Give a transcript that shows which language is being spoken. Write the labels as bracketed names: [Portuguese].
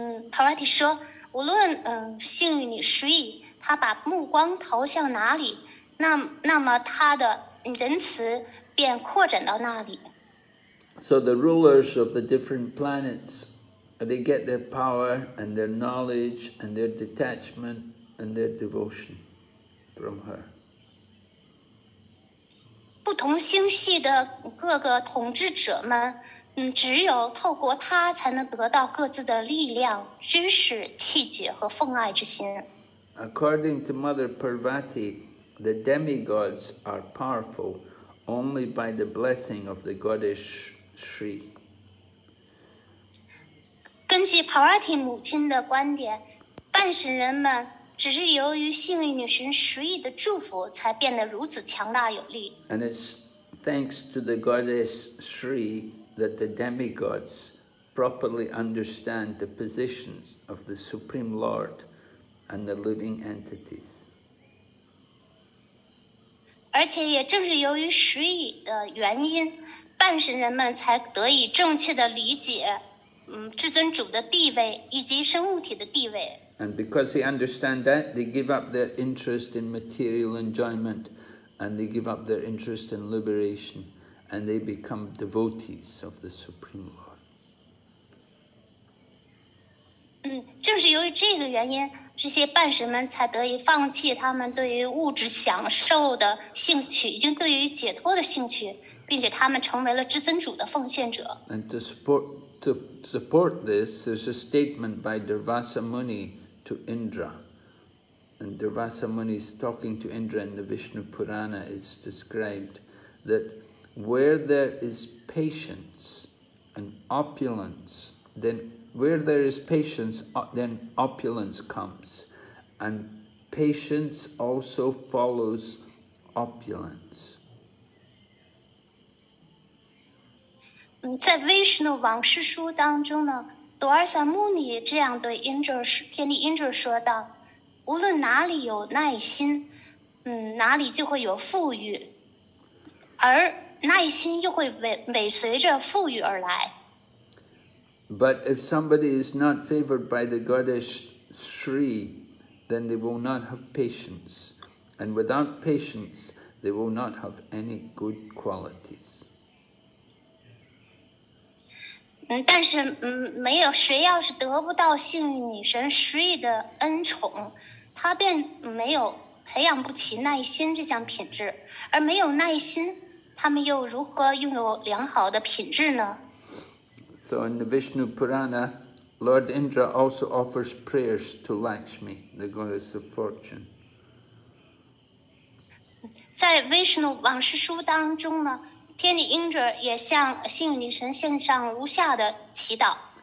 [Chinese] Parvati 说，无论幸运女 Sri 她把目光投向哪里，那么她的仁慈便扩展到那里。 [English] So the rulers of the different planets, they get their power and their knowledge and their detachment and their devotion from her. [Chinese] 不同星系的各个统治者们，只有透过她才能得到各自的力量、知识、气节和奉爱之心。 [English] According to Mother Parvati, the demigods are powerful only by the blessing of the goddess Sri. [Chinese] 根据 Parvati 母亲的观点，半神人们只是由于幸运女神 Sri 的祝福才变得如此强大有力。 [English] And it's thanks to the goddess Sri that the demigods properly understand the positions of the Supreme Lord and the living entities. [Chinese] 而且也正是由于 Sri 的原因，半神人们才得以正确的理解至尊主的地位以及生物体的地位。 [English] And because they understand that, they give up their interest in material enjoyment, and they give up their interest in liberation, and they become devotees of the Supreme Lord. [Chinese] 正是由于这个原因，这些半神们才得以放弃他们对于物质享受的兴趣，已经对于解脱的兴趣，并且他们成为了至尊主的奉献者。 [English] And to support this, there's a statement by Durvasa Muni to Indra. And Durvasa Muni is talking to Indra in the Vishnu Purana. It's described that where there is patience and opulence, then where there is patience, then opulence comes. And patience also follows opulence. [Chinese] 在 Vishnu 往事书当中呢 ，Durvasa Muni 这样对 天帝 Indra 说道：“无论哪里有耐心，哪里就会有富裕，而耐心又会尾随着富裕而来。” [English] But if somebody is not favored by the goddess Sri, then they will not have patience, and without patience, they will not have any good qualities. [Chinese] 但是没有谁要是得不到幸运女神 Sri 的恩宠，她便没有培养不起耐心这项品质，而没有耐心，他们又如何拥有良好的品质呢？ [English] So in the Vishnu Purana, Lord Indra also offers prayers to Lakshmi, the goddess of fortune. [Chinese] 在 Vishnu 往事书当中呢，天帝 Indra 也向幸运女神献上如下的祈祷。